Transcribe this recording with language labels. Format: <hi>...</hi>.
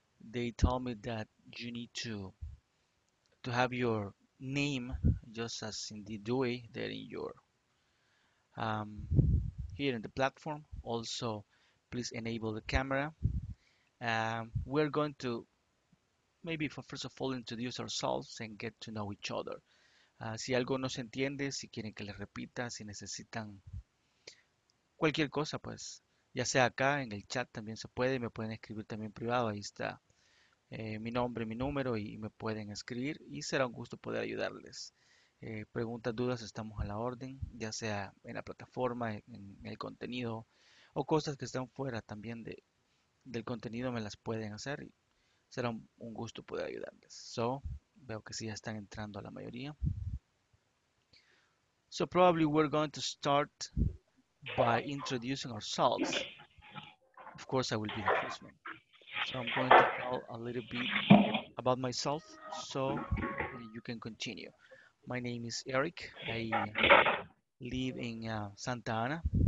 <en>They told me that you need to have your name just as in the doi there in your here in the platform. Also, please enable the camera. We're going to maybe for first of all introduce ourselves and get to know each other.</en> <es>Si algo no se entiende, si quieren que les repita, si necesitan cualquier cosa, pues ya sea acá en el chat también se puede, me pueden escribir también privado, ahí está mi nombre, mi número y me pueden escribir y será un gusto poder ayudarles. Preguntas, dudas, estamos a la orden, ya sea en la plataforma, en el contenido o cosas que están fuera también del contenido me las pueden hacer y será un gusto poder ayudarles. So, veo que sí ya están entrando a la mayoría.</es> <en>So probably we're going to start by introducing ourselves. Of course, I will be the first one. So I'm going to tell a little bit about myself so you can continue. My name is Eric. I live in Santa Ana.</en>